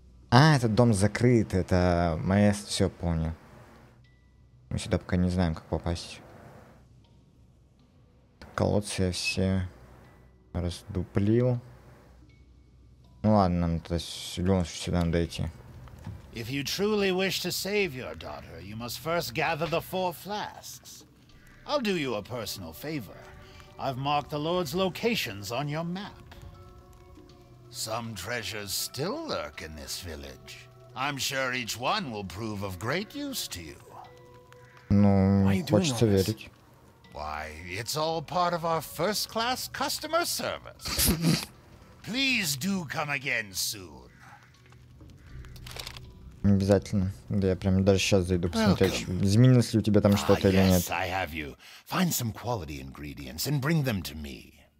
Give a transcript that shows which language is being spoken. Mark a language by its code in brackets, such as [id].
[ru] А, этот дом закрыт. Это маэстро, все понял. Мы сюда пока не знаем, как попасть. Колодцы я все раздуплил. Ну ладно, нам тогда сюда надо идти. [en] If you truly wish to save your daughter, you must first gather the four flasks. I'll do you a personal favor. I've marked the Lord's locations on your map. Some treasures still lurk in this village. I'm sure each one will prove of great use to you. [ru] Ну, хочется верить. [en] Why, it's all part of our first-class customer service. Please do come again soon. [ru] Обязательно. Да я прямо даже сейчас зайду посмотреть, изменилось ли у тебя там что-то или нет. [en] Yes, I have you. Find some quality ingredients and bring them to me.